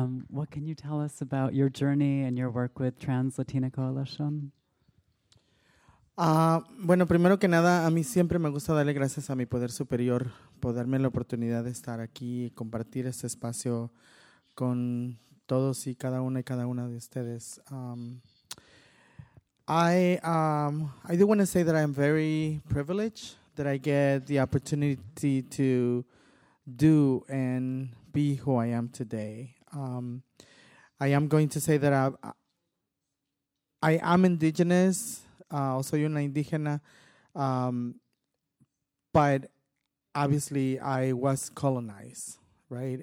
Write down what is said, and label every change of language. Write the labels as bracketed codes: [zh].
[en] What can you tell us about your journey and your work with Trans Latina Coalition? [es] Bueno, primero que nada, a mí siempre me gusta darle gracias a mi poder superior por darme la oportunidad de estar aquí y compartir este espacio con todos y cada una y cada una de ustedes. [en] I do want to say that I am very privileged that I get the opportunity to do and be who I am today. I am going to say that I am indigenous, also [es] una indígena, [en] but obviously I was colonized, right?